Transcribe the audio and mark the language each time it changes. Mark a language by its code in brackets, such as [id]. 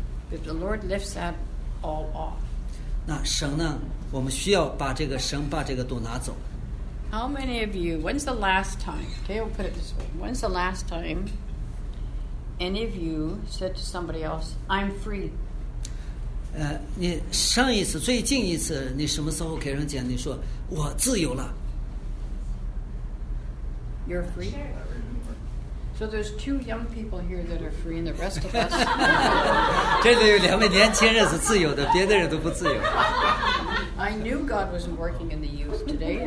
[en] If the Lord lifts that all off, [zh] 那神呢？我们需要把这个神把这个都拿走。 [en] How many of you? When's the last time? Okay, we'll put it this way. When's the last time any of you said to somebody else, "I'm free"? [zh] 你上一次、最近一次，你什么时候给人讲你说我自由了 [en] ？You're free. So there's two young people here that are free, and the rest of us. [zh] 这里有两位年轻人是自由的，别的人都不自由。 [en] I knew God wasn't working in the youth today.